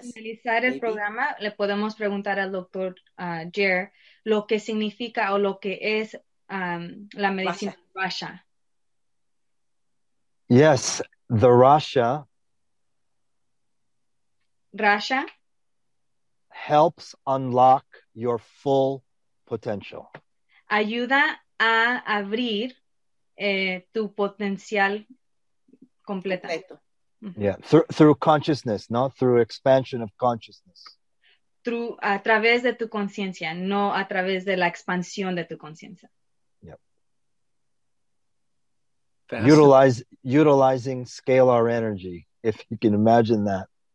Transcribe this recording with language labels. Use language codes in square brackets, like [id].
[es] Para finalizar el programa, le podemos preguntar al doctor Jer lo que significa o lo que es la medicina Russia. [en] Yes, the Russia. Russia helps unlock your full potential. [es] Ayuda a abrir tu potencial completo. [en] Yeah, through consciousness, not through expansion of consciousness. [es] Through a través de tu conciencia, no a través de la expansión de tu conciencia. [en] Yep. Utilizing scalar energy, if you can imagine that.